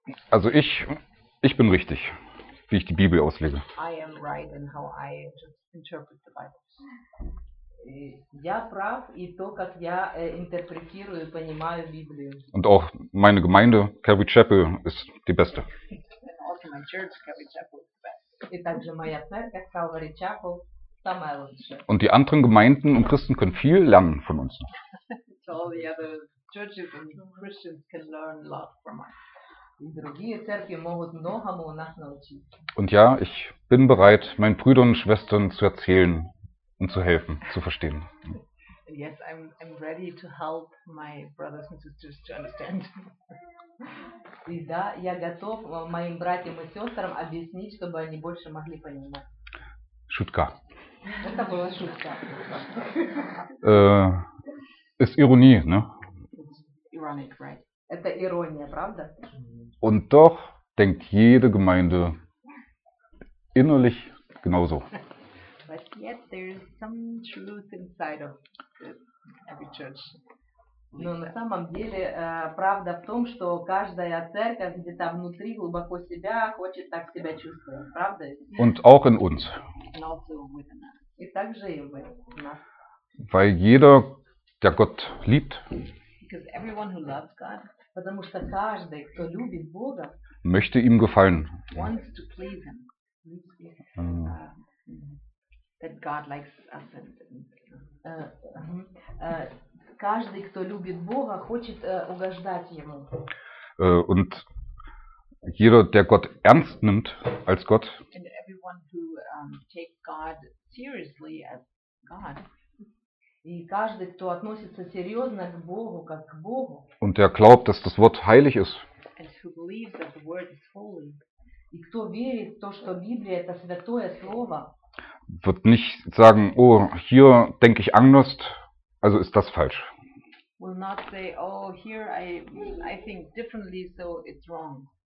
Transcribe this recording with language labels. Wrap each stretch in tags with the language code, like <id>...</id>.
<de>Also ich bin richtig, wie ich die Bibel auslege.</de> <en>I am right in how I interpret the Bible.</en> <ru>Я прав и то, как я интерпретирую и понимаю Библию.</ru> <de>Und auch meine Gemeinde Calvary Chapel ist die beste.</de> <en>And also my church Calvary Chapel is the best.</en> <ru>И также моя церковь Calvary Chapel самая лучшая.</ru> <de>Und die anderen Gemeinden und Christen können viel lernen von uns.</de> <en>So all the other churches and Christians can learn a lot from us.</en> <ru>И другие церкви могут многому у нас научиться.</ru> <de>Und ja, ich bin bereit, meinen Brüdern und Schwestern zu erzählen. Und zu helfen, zu verstehen.</de> <en>Yes, I'm ready to help my brothers and sisters to understand.</en> <ru>И да, я готов моим братьям и сестрам объяснить, чтобы они больше могли понимать. Шутка. Это была шутка.</ru> <de>ist Ironie, ne?</de> <en>It's ironic, right?</en> <ru>Это ирония, правда?</ru> <de>Und doch denkt jede Gemeinde innerlich genauso.</de> <en>But yet there is some truth inside of every church.</en> <ru>Но на самом деле правда в том, что каждая церковь где-то внутри глубоко себя хочет так себя чувствовать, правда?</ru> <de>Und auch in uns.</de> <en>And also within us.</en> <ru>И также и в нас.</ru> <de>Weil jeder, der Gott liebt,</de> <en>because everyone who loves God,</en> <ru>потому что каждый, кто любит Бога,</ru> <de>möchte ihm gefallen.</de> <en>Wants to please him. That God likes us.</en> <ru>Каждый, кто любит Бога, хочет угождать ему.</ru> <de>Und jeder, der Gott ernst nimmt als Gott,</de> <en>and everyone who takes God seriously as God,</en> <ru>и каждый, кто относится серьезно к Богу, как к Богу,</ru> <de>und der glaubt, dass das Wort heilig ist,</de> <en>and who believes that the word is holy,</en> <ru>и кто верит в то, что Библия это святое слово,</ru> <de>wird nicht sagen, oh, hier denke ich anders, also ist das falsch.</de> <en>Will not say, oh, here I think differently, so it's wrong.</en>